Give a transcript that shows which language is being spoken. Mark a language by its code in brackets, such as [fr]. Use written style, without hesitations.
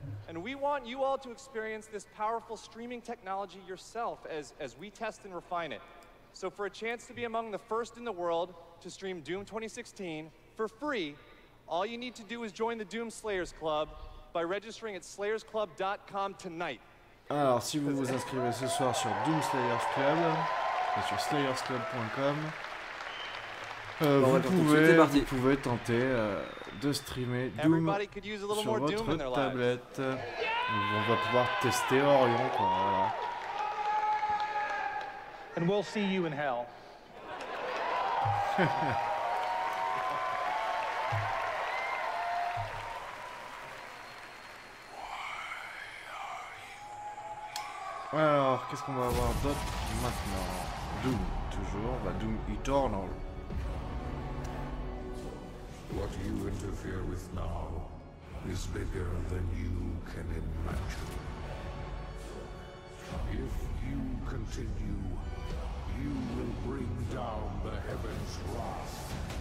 [en] And we want you all to experience this powerful streaming technology yourself as we test and refine it. So for a chance to be among the first in the world to stream Doom 2016 for free, all you need to do is join the Doom Slayers Club by registering at slayersclub.com tonight. [fr] Alors, si vous vous inscrivez ce soir sur Doom Slayers Club, et sur slayersclub.com, vous pouvez tenter de streamer Doom sur votre tablette. On va pouvoir tester Orion, quoi. Voilà. [en] And we'll see you in hell. [fr] Alors, qu'est-ce qu'on va avoir d'autre maintenant? Doom, toujours. Bah, Doom Eternal. [en] What you interfere with now is bigger than you can imagine. If you continue, you will bring down the heaven's wrath.